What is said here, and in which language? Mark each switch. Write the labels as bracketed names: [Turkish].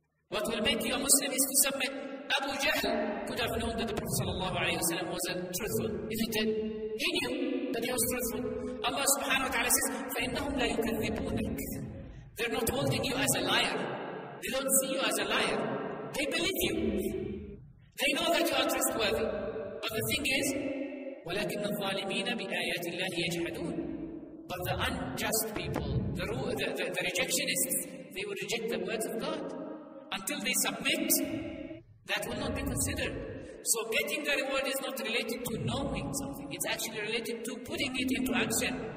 [English] What will make you a Muslim is to submit. Abu Jahl could have known that the Prophet ﷺ was truthful. If he did, he knew that he was truthful. Allah subhanahu wa ta'ala says, [Arabic] فَإِنَّهُمْ لَا يُكَذِّبُونَكَ. [English] They're not holding you as a liar. They don't see you as a liar. They believe you. They know that you are trustworthy. But the thing is, [Arabic] وَلَكِنَّ الظَّالِمِينَ بِآيَاتِ اللَّهِ يَجْحَدُونَ. [English] But the unjust people, the rejectionists, they will reject the words of God. Until they submit, that will not be considered. So getting the reward is not related to knowing something. It's actually related to putting it into action.